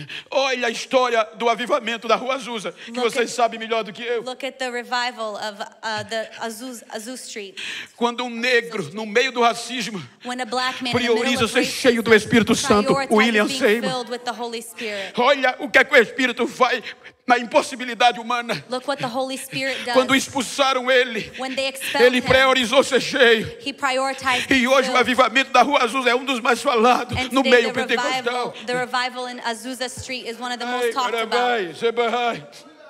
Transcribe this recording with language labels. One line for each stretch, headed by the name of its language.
Portuguese: Olha a história do avivamento da rua Azusa, que vocês sabem melhor do que eu.
English: Look at the revival of the Azusa Street.
Portuguese: Quando um negro no meio do racismo prioriza ser cheio do Espírito Santo, William Seymour. Olha o que é que o Espírito vai na impossibilidade humana.
English: Look what the Holy Spirit does.
Portuguese: Quando expulsaram ele,
English: when they expelled
Portuguese: ele priorizou ser cheio.
English: He prioritized
Portuguese: e hoje o avivamento da rua Azusa é um dos mais falados no meio pentecostal.
English: The revival in Azusa Street is one of the most talked about.